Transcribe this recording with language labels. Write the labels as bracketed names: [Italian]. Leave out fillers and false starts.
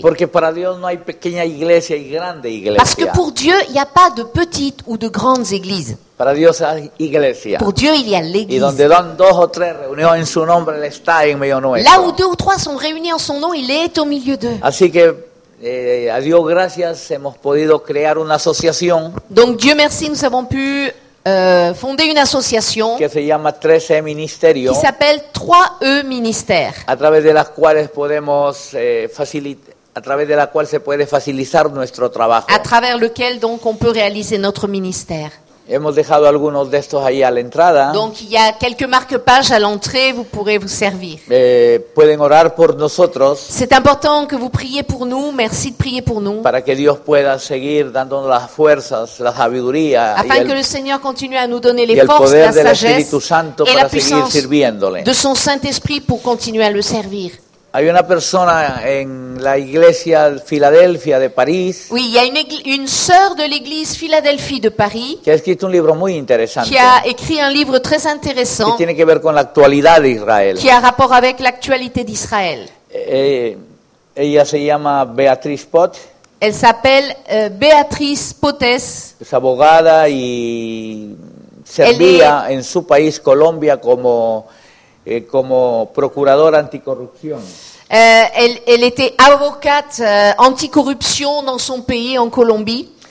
[Spanish] Porque para Dios no hay pequeña iglesia y grande iglesia. [French] Parce que pour Dieu, il n'y a pas de petites ou de grandes églises. [Spanish] Para Dios hay iglesia. [French] Pour Dieu, il y a l'église. [Spanish] Y donde dan dos o tres reunidos en su nombre, él está en medio nuestro. [French] Là où deux ou trois sont réunis en son nom, il est au milieu d'eux. [Spanish] Así que a Dios gracias hemos podido crear una asociación. [French] Donc Dieu merci, nous avons pu fonder une association [Spanish] que se llama 13 Ministerio, [French] qui s'appelle 3E Ministère. [Spanish] A través de las cuales podemos facilitar. A través de la cual se puede facilitar nuestro trabajo. [French] À travers lequel donc on peut réaliser notre ministère. [Spanish] Hemos dejado algunos de estos ahí a la entrada. [French] Donc il y a quelques marque-pages à l'entrée, vous pourrez vous servir. [Spanish] Pueden orar por nosotros. [French] C'est important que vous priez pour nous. Merci de prier pour nous. [Spanish] Para que Dios pueda seguir dándonos las fuerzas, la sabiduría. [French] Afin que le Seigneur continue à nous donner les forces, [Spanish] poder [French] la sagesse [Spanish] del Espíritu Santo [French] et [Spanish] para [French] la puissance [Spanish] seguir sirviéndole. [French] De son Saint-Esprit pour continuer à le servir. [Spanish] Hay una persona en la iglesia Filadelfia de París. [French] Oui, il y a une sœur de l'église Philadelphie de Paris. [Spanish] Que ha escrito un libro muy interesante. [French] Qui a écrit un livre très intéressant. [Spanish] Que tiene que ver con la actualidad de Israel. [French] Qui a rapport avec l'actualité d'Israël. [Spanish] Ella se llama Beatriz Potts. [French] Elle s'appelle Beatriz Potts. [Spanish] Es abogada y servía en su país Colombia como como procuradora anticorrupción. [French] Elle était avocate anticorruption dans son pays, en Colombie.